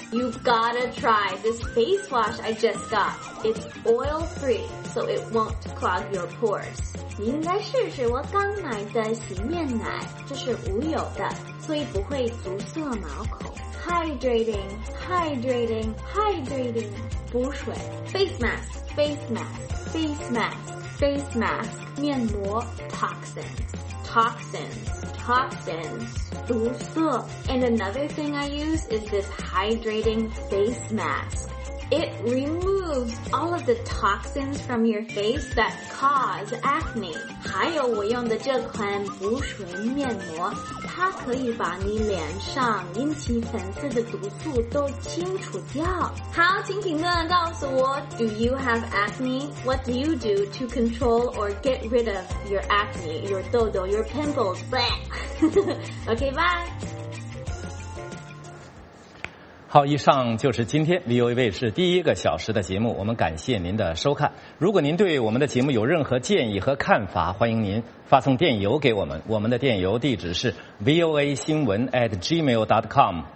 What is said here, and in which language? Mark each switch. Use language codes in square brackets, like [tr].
[en] You've gotta try this face wash I just got. It's oil free, so it won't clog your pores. [zh] 你应该试试我刚买的洗面奶，这是无油的，所以不会堵塞毛孔。 Hydrating, 补水。 Face mask, 面膜。 [en] Toxins, 毒素。And another thing I use is this hydrating face mask. It removes all of the toxins from your face that cause acne. [zh] 还有我用的这款补水面膜，它可以把你脸上引起粉刺的毒素都清除掉。好，请评论告诉我 ， [en] Do you have acne? What do you do to control or get rid of your acne, your 痘痘 your pimples? Okay, bye. [zh] 好，以上就是今天 VOA 卫视第一个小时的节目，我们感谢您的收看。如果您对我们的节目有任何建议和看法，欢迎您发送电邮给我们，我们的电邮地址是 voasinwen@gmail.com。